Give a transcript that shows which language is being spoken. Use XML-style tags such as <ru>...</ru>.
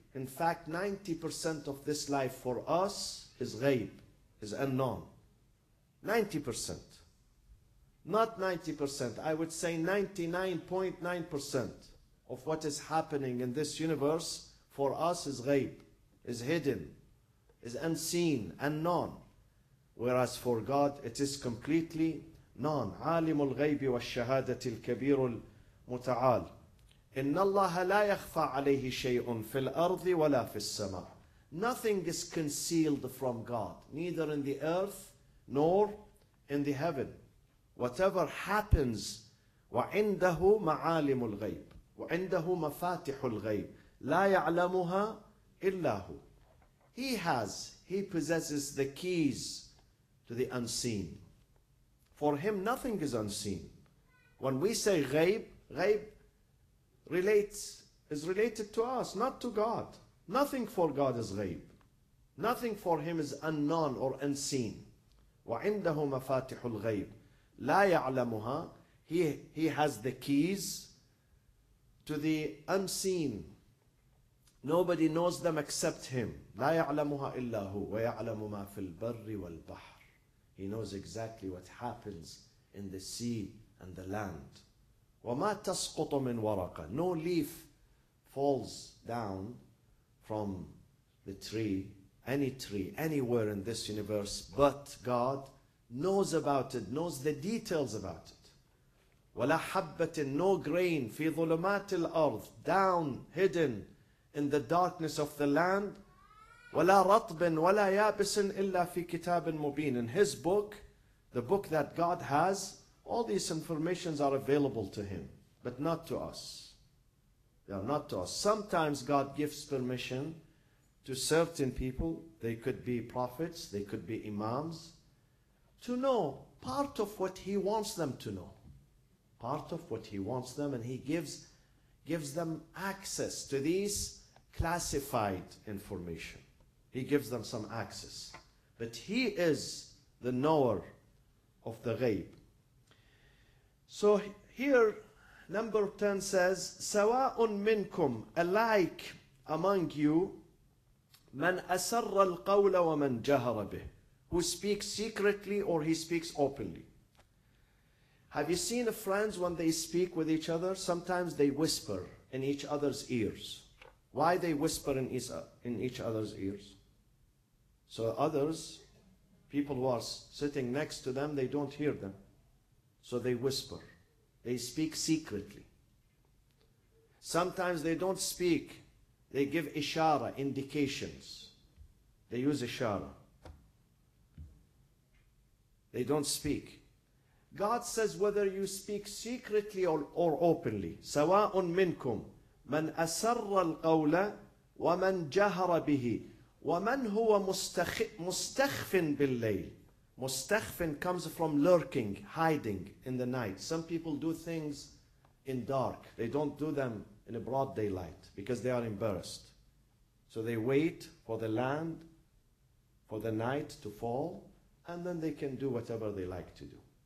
<en>In fact, 90% of this life for us is ghaib, is unknown. 90%. Not 90%. I would say 99.9% of what is happening in this universe for us is ghaib, is hidden, is unseen, unknown. Whereas for God, it is completely</en> <ar>نان عالم الغيب والشهادة الكبير المتعال إن الله لا يخفى عليه شيء في الأرض ولا في السماء.</ar> <en>Nothing is concealed from God, neither in the earth nor in the heaven. Whatever happens</en> <ar>وعنده معالم الغيب وعنده مفاتيح الغيب لا يعلمها إلا هو.</ar> <en>He possesses the keys to the unseen. For him, nothing is unseen. When we say غيب, غيب relates, is related to us, not to God. Nothing for God is غيب. Nothing for him is unknown or unseen.</en> <ar>وعنده مفاتيح الغيب لا يعلمها.</ar> <en>He has the keys to the unseen. Nobody knows them except him.</en> <ar>لا يعلمها إلا هو ويعلم ما في البر والبحر.</ar> <en>He knows exactly what happens in the sea and the land.</en> <ar>وما تسقط من ورقة.</ar> <en>No leaf falls down from the tree, any tree, anywhere in this universe, but God knows about it, knows the details about it.</en> <ar>ولا حبة,</ar> <en>no grain,</en> <ar>في ظلمات الأرض,</ar> <en>down, hidden, in the darkness of the land.</en> <ar>ولا رطب ولا يابس إلا في كتاب مبين.</ar> <en>In his book, the book that God has, all these informations are available to him, but not to us. They are not to us. Sometimes God gives permission to certain people, they could be prophets, they could be imams, to know part of what he wants them to know. Part of what he wants them, and he gives them access to these classified information. He gives them some access. But he is the knower of the غيب. So here, number 10 says,</en> <ar>سواء منكم,</ar> <en>alike among you,</en> <ar>من أسر القول ومن جهر به.</ar> <en>Who speaks secretly or he speaks openly. Have you seen friends when they speak with each other? Sometimes they whisper in each other's ears. Why they whisper in each other's ears? So others, people who are sitting next to them, they don't hear them. So they whisper. They speak secretly. Sometimes they don't speak. They give ishara, indications. They use ishara. They don't speak. God says whether you speak secretly or openly.</en> <ar>سواء منكم من أسر القول ومن جهر به ومن هو مستخف بالليل.</ar> <en>مستخف comes from lurking, hiding in the night. Some people do things in dark. They don't do them in a broad daylight because they are embarrassed. So they wait for the land, for the night to fall, and then they can do whatever they like to do.</en>